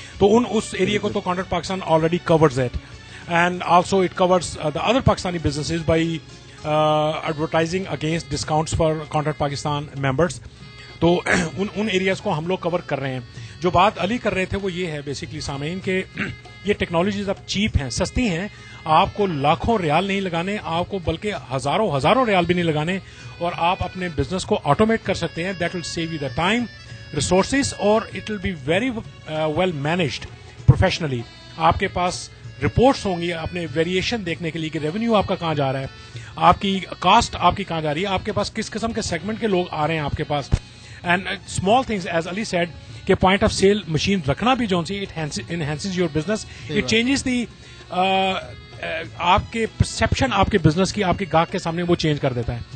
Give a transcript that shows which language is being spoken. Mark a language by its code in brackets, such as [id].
[ur] تو ان اس ایریا کو تو [en] Counter Pakistan already covers it, and also it covers the other Pakistani businesses by advertising against discounts for Counter Pakistan members. [ur] تو ان areas کو ہم لوگ کور کر رہے ہیں. جو بات علی کر رہے تھے وہ یہ ہے بیسکلی سامعین کہ یہ ٹیکنالوجیز اب چیپ ہیں, سستی ہیں, آپ کو لاکھوں ریال نہیں لگانے, آپ کو بلکہ ہزاروں ہزاروں ریال بھی نہیں لگانے, اور آپ اپنے بزنس کو آٹومیٹ کر سکتے ہیں. [en] That will save you the time resources اور it will be very well managed professionally. [ur] آپ کے پاس رپورٹس ہوں گی اپنے ویریشن دیکھنے کے لیے کہ ریونیو آپ کا کہاں جا رہا ہے, آپ کی کاسٹ آپ کی کہاں جا رہی ہے, آپ کے پاس کس قسم کے سیگمنٹ کے لوگ آ رہے ہیں آپ کے پاس, [en] and small things as Ali said [ur] کہ پوائنٹ آف سیل مشین رکھنا بھی جو [en] enhances your business, it changes the [ur] آپ کے پرسپشن آپ کے بزنس کی, آپ کے گاہک کے سامنے وہ چینج کر دیتا ہے.